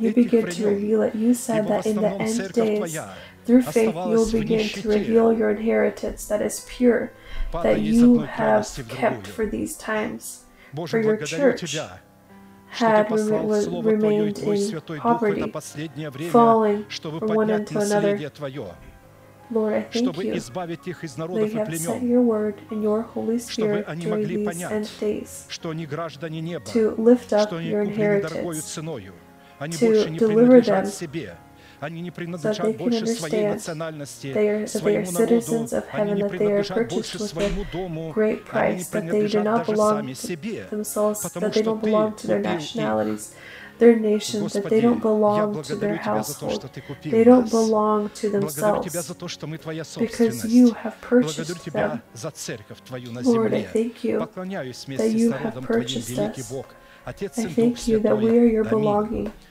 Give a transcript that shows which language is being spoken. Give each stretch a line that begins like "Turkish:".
English: You begin to reveal it. You said that in the end days, through faith, you will begin to reveal your inheritance that is pure, that you have kept for these times, for your church had remained in poverty, falling from one into another. Lord, I thank you that you have sent your word and your Holy Spirit during these end days to lift up your inheritance, to deliver them
Russian: Они не принадлежат больше своей национальности, своему народу, они не принадлежат больше своему дому, они не принадлежат даже сами себе, потому что ты купил их.
English: Their nations, that they don't belong to their household. They don't belong to themselves because you have purchased them. Lord, I thank you that you have purchased us. I thank you that we are your belonging.